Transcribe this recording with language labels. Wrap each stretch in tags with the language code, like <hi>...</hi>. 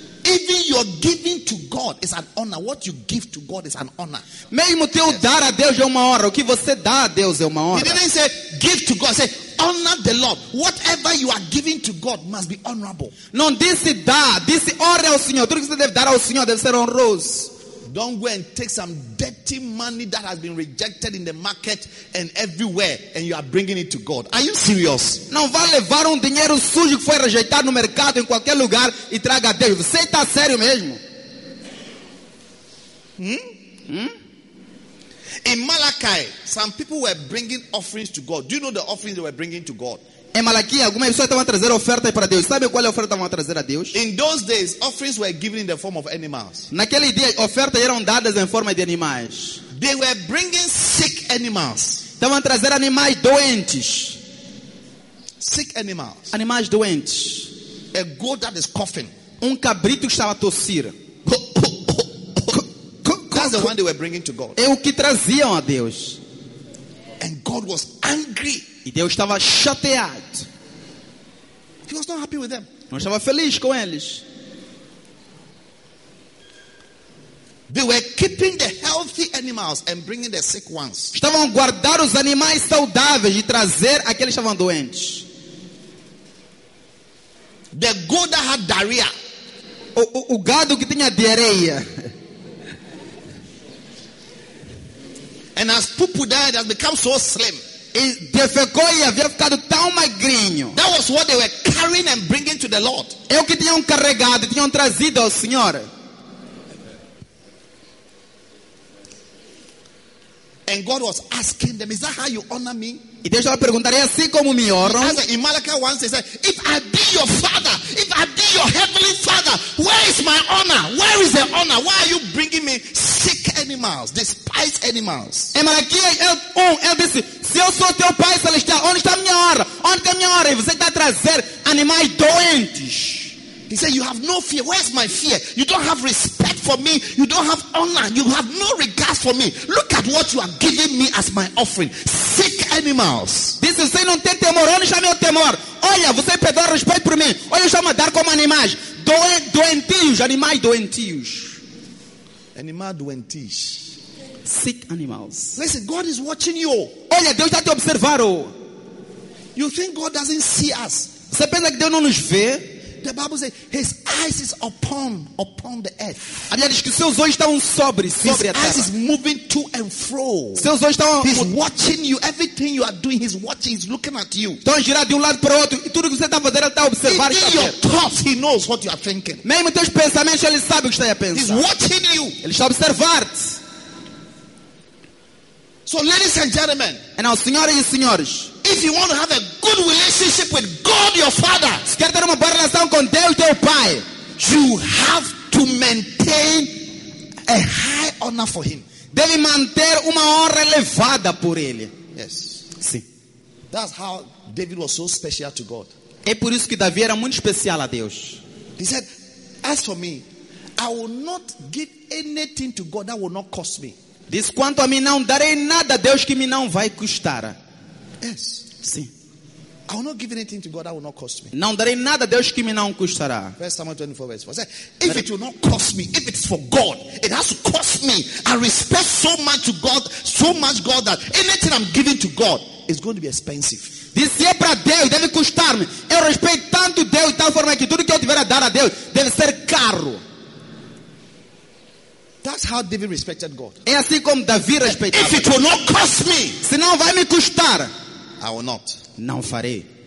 <en>Even your giving to God is an honor. What you give to God is an honor.</en> <pt>Mesmo teu dar a Deus é uma honra. O que você dá a Deus é uma honra.</pt> <en>He didn't say give to God. He said honor the Lord. Whatever you are giving to God must be honorable.</en> <pt>Não disse dar. Disse honra ao Senhor. Tudo que você deve dar ao Senhor deve ser honroso.</pt> <en>Don't go and take some dirty money that has been rejected in the market and everywhere and you are bringing it to God. Are you serious?</en> <pt>Não vá levar dinheiro sujo que foi rejeitado no mercado em qualquer lugar e traga a Deus. Você está sério mesmo?</pt> <en>In Malachi, some people were bringing offerings to God. Do you know the offerings they were bringing to God?</en> <pt>Em Malaquias, algumas pessoas estavam a trazer ofertas para Deus. Sabe qual é a oferta que estavam a trazer a Deus?</pt> <en>In those days, offerings were given in the form of animals.</en> <pt>Naquele dia, ofertas eram dadas em forma de animais.</pt> <en>They were bringing sick animals.</en> <pt>Estavam a trazer animais doentes.</pt> <en>Sick animals.</en> <pt>Animais doentes.</pt> <en>A goat that is coughing.</en> <pt>Cabrito que estava a tossir.</pt> <en>That's the one they were bringing to God.</en> <pt>É o que traziam a Deus.</pt> <en>And God was angry.</en> <pt>E Deus estava chateado.</pt> <en>He was not happy with them.</en> <pt>Não estava feliz com eles.</pt> <en>They were keeping the healthy animals and bringing the sick ones.</en> <pt>Estavam a guardar os animais saudáveis e trazer aqueles que estavam doentes.</pt> <en>The goat that had diarrhea.</en> <pt>O gado que tinha diarreia.</pt> <en>And as poopoo died, has become so slim. That was what they were carrying and bringing to the Lord.</en> <pt>É o que tinham carregado, tinham trazido ao Senhor.</pt> <en>And God was asking them, "Is that how you honor me?"</en> <pt>E Deus estava a perguntar, é assim como me honram?</pt> <en>In Malachi once he said, "If I be your father, if I be your heavenly father, where is my honor? Where is the honor? Why are you bringing me sick animals, despised animals?"</en> <pt>Em Malaquias ele disse, se eu sou teu pai celestial, onde está a minha honra? Onde está a minha honra? E você está a trazer animais doentes.</pt> <en>He said, "You have no fear. Where's my fear? You don't have respect for me. You don't have honor. You have no regard for me. Look at what you are giving me as my offering. Sick animals." This is saying,</en> <pt>"Não tem temor. Onde está meu temor? Olha, você perdeu respeito por mim. Olha, eu chamo a dar como animais. Doentios. Animais doentios. Animal doentios.</pt> <en>Sick animals. Listen, God is watching you.</en> <pt>Olha, Deus está te observando.</pt> <en>You think God doesn't see us?</en> <pt>Você pensa que Deus não nos vê?</pt> <en>The Bible says his eyes is upon the earth.</en> <pt>A Bíblia diz que seus olhos estão sobre a terra.</pt> <en>His eyes is moving to and fro.</en> <pt>Seus olhos estão.</pt> <en>He's watching you. Everything you are doing, he's watching. He's looking at you.</en> <pt>Estão a girar de lado para o outro. E tudo que você está fazendo, ele está a observar.</pt> <en>In your thoughts, he knows what you are thinking.</en> <pt>Mesmo teus pensamentos, ele sabe o que está a pensar.</pt> <en>He's watching you.</en> <pt>Ele está a observar-te.</pt> <en>So, ladies and gentlemen,</en> <pt>e now, senhoras e senhores,</pt> <en>if you want to have a good relationship with God, God your father,</en> <pt>se quer ter uma boa relação com Deus teu pai,</pt> <en>you have to maintain a high honor for him.</en> <pt>Deve manter uma honra elevada por ele.</pt> <en>Yes.</en> <pt>Sim.</pt> <en>That's how David was so special to God.</en> <pt>É por isso que Davi era muito especial a Deus.</pt> <en>He said, as for me, I will not give anything to God that will not cost me.</en> <pt>Diz, quanto a mim, não darei nada a Deus que me não vai custar.</pt> <en>Yes.</en> <pt>Sim.</pt> <en>I will not give anything to God that will not cost me.</en> <pt>Não darei nada a Deus que me não custará.</pt> <en>1 Samuel 24, verse 4. If it will not cost me, if it is for God, it has to cost me. I respect so much to God, so much God, that anything I'm giving to God is going to be expensive.</en> <pt>Diz, se é para Deus, deve custar-me. Eu respeito tanto Deus, de tal forma que tudo que eu tiver a dar a Deus deve ser caro.</pt> <en>That's how David respected God.</en> <pt>É assim como Davi respeitava.</pt> <en>If it will not cost me,</en> <pt>se não vai me custar,</pt> <en>I will not.</en> <pt>Não farei.</pt>